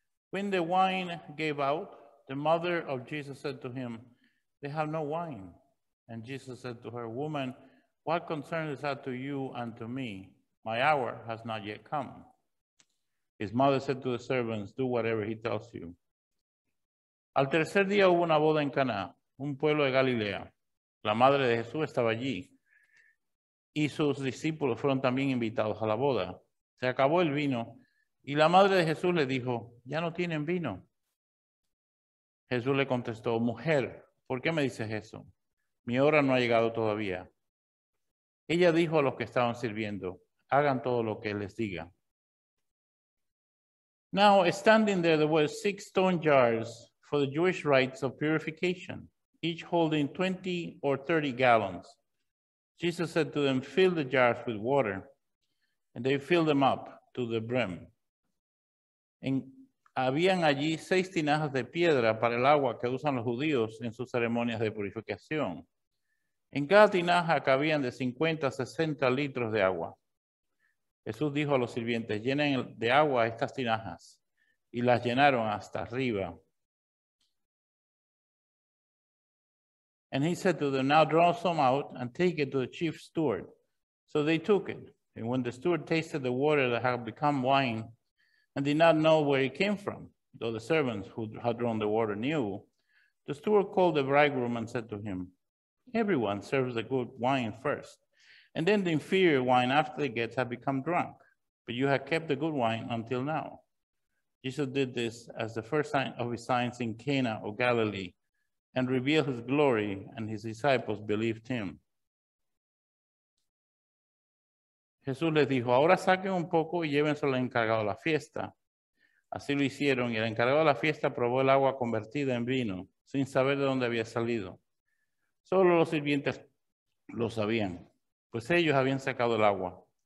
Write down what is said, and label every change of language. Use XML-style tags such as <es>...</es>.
<en>When the wine gave out, the mother of Jesus said to him, "They have no wine." And Jesus said to her, "Woman, what concern is that to you and to me? My hour has not yet come." His mother said to the servants, "Do whatever he tells you."</en> <es>Al tercer día hubo una boda en Caná, un pueblo de Galilea. La madre de Jesús estaba allí, y sus discípulos fueron también invitados a la boda. Se acabó el vino, y la madre de Jesús le dijo, "Ya no tienen vino." Jesús le contestó, "Mujer, ¿por qué me dices eso? Mi hora no ha llegado todavía." Ella dijo a los que estaban sirviendo, "Hagan todo lo que les diga."</es> <en>Now, standing there were 6 stone jars for the Jewish rites of purification, each holding 20 or 30 gallons. Jesus said to them, "Fill the jars with water." And they filled them up to the brim.</en> <es>En, habían allí 6 tinajas de piedra para el agua que usan los judíos en sus ceremonias de purificación. En cada tinaja cabían de 50 a 60 litros de agua. Jesús dijo a los sirvientes, "Llenen de agua estas tinajas." Y las llenaron hasta arriba.</es> <en>And he said to them, "Now draw some out and take it to the chief steward." So they took it. And when the steward tasted the water that had become wine and did not know where it came from, though the servants who had drawn the water knew, the steward called the bridegroom and said to him, "Everyone serves the good wine first, and then the inferior wine after it gets have become drunk. But you have kept the good wine until now." Jesus did this as the first sign of his signs in Cana of Galilee, and revealed his glory, and his disciples believed him.</en> <es>Jesús les dijo, "Ahora saquen un poco y llévenselo al encargado de la fiesta." Así lo hicieron, y el encargado de la fiesta probó el agua convertida en vino, sin saber de dónde había salido. Solo los sirvientes lo sabían, pues ellos habían sacado el agua.</es>